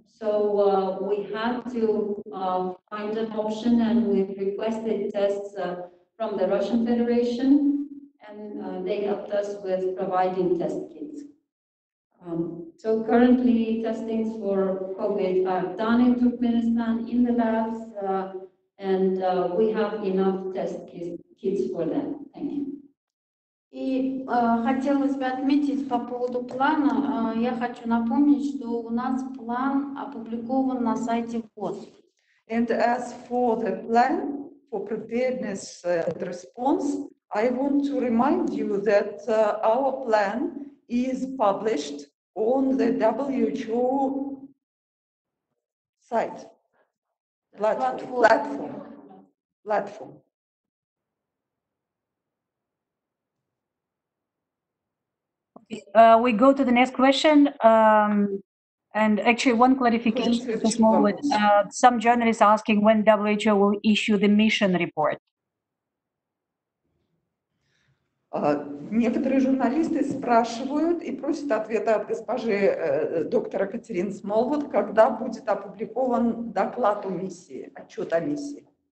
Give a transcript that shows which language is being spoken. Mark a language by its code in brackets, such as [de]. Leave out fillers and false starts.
[en] So we had to find an option, and we requested tests from the Russian Federation, and they helped us with providing test kits. So currently, testings for COVID are done in Turkmenistan in the labs, and we have enough test kits for them. Thank you. [ru] И хотелось бы отметить по поводу плана, я хочу напомнить, что у нас план опубликован на сайте ВОЗ. [en] And as for the plan for preparedness and response, I want to remind you that our plan is published on the WHO site. Platform. We go to the next question, and actually one clarification, some journalists asking when WHO will issue the mission report. [ru] Некоторые журналисты спрашивают и просят ответа от госпожи доктора Катерин Смолвуд, когда будет опубликован доклад о миссии, отчет о миссии.